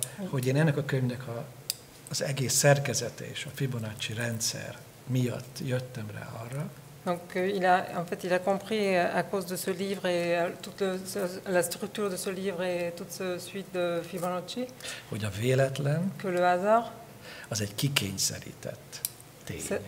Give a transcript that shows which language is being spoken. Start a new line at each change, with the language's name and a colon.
Hungarian: hogy én ennek a könyvnek a, az egész szerkezete és a Fibonacci rendszer miatt jöttem rá arra.
French: Donc il a en fait il a compris à cause de ce livre et toute le, la structure de ce livre et toute ce suite de Fibonacci.
Hungarian: Hogy a véletlen,
French: que le hasard,
Hungarian: az egy kikényszerített tény.